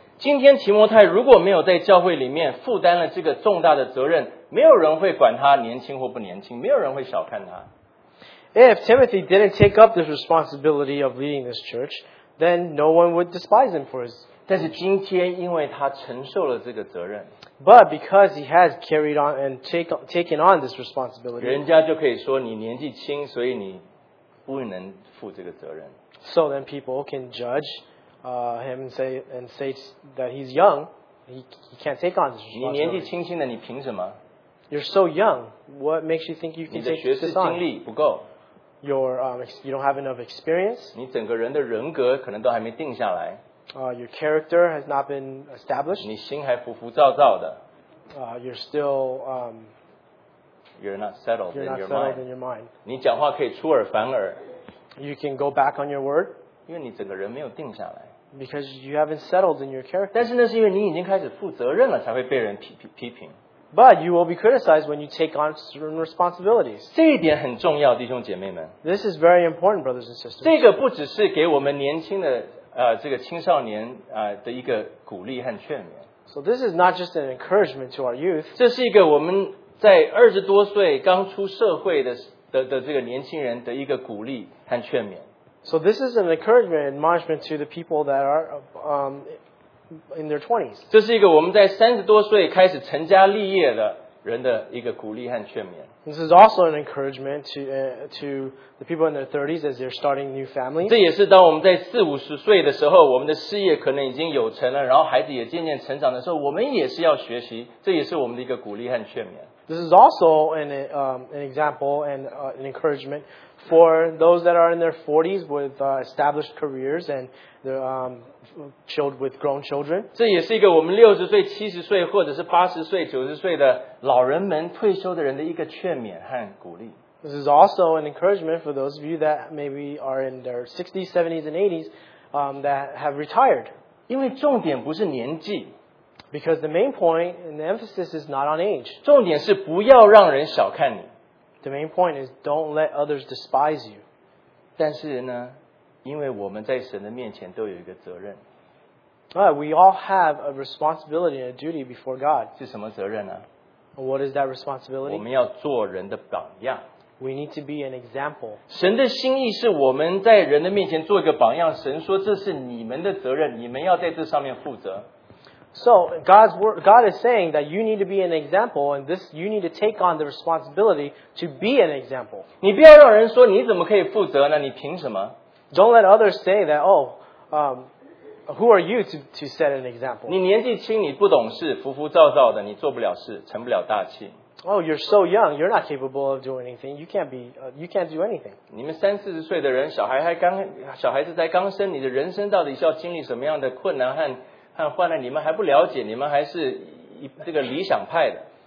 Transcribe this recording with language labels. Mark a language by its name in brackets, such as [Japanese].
[Chinese] 今天提摩太如果没有在教会里面负担了这个重大的责任，没有人会管他年轻或不年轻，没有人会小看他。 [English] If Timothy didn't take up this responsibility of leading this church. Then no one would despise him for his [Chinese] 但是今天因为他承受了这个责任 [English] But because he has carried on and taken on this responsibility, [Chinese] 人家就可以说你年纪轻，所以你不能负这个责任。 [English] So then people can judge him and say that he's young, he can't take on this responsibility. [Chinese] 你年纪轻轻的，你凭什么？ [English] You're so young. What makes you think you can take this on? [Chinese] 你的学识经历不够。 [English] You don't have enough experience. [Chinese] 你整个人的人格可能都还没定下来。 [English] Your character has not been established. [Chinese] 你心还浮浮躁躁的。 [English] You're still You're not settled in your mind. You're not settled in your mind. [Chinese] 你讲话可以出尔反尔。 [English] You can go back on your word. [Chinese] 因为你整个人没有定下来。 [English] Because you haven't settled in your character. [Chinese] 但是那是因为你已经开始负责任了，才会被人批评。 [English] But you will be criticized when you take on certain responsibilities. [Chinese] 这一点很重要，弟兄姐妹们。 [English] This is very important, brothers and sisters. [Chinese] 这个不只是给我们年轻的这个青少年的一个鼓励和劝勉。 [English] So this is not just an encouragement to our youth. [Chinese] 这是一个我们在二十多岁刚出社会的这个年轻人的一个鼓励和劝勉。 [English] So this is an encouragement and admonishment to the people that are in their 20s. [Chinese] 这是一个我们在三十多岁开始成家立业的人的一个鼓励和劝勉。 [English] This is also an encouragement to the people in their 30s as they're starting new families. [Chinese] 这也是当我们在四五十岁的时候，我们的事业可能已经有成了，然后孩子也渐渐成长的时候，我们也是要学习。这也是我们的一个鼓励和劝勉。 [English] This is also an example and an encouragement for those that are in their 40s with established careers and their with grown children. [Chinese] 这也是一个我们六十岁、七十岁或者是八十岁、九十岁的老人们、退休的人的一个劝勉和鼓励。 [English] This is also an encouragement for those of you that maybe are in their 60s, 70s, and 80s that have retired. [Chinese] 因为重点不是年纪。 [English] Because the main point and the emphasis is not on age. [Chinese] 重点是不要让人小看你。 [English] The main point is don't let others despise you. [Chinese] 但是呢，因为我们在神的面前都有一个责任。 [English] We all have a responsibility and a duty before God. [Chinese] 是什么责任呢？ [English] What is that responsibility? [Chinese] 我们要做人的榜样。 [English] We need to be an example. [Chinese] 神的心意是我们在人的面前做一个榜样。神说这是你们的责任，你们要在这上面负责。 [English] So God is saying that you need to be an example, and this you need to take on the responsibility to be an example. [Chinese] 你不要让人说你怎么可以负责呢？你凭什么 [English] ？Don't let others say that. Oh, who are you to set an example? [Chinese] 你年纪轻，你不懂事，浮浮躁躁的，你做不了事，成不了大器。 [English] Oh, you're so young. You're not capable of doing anything. You can't be. You can't do anything. [Chinese] 你们三四十岁的人，小孩子才刚生，你的人生到底是要经历什么样的困难和？换了你们还不了解，你们还是这个理想派的。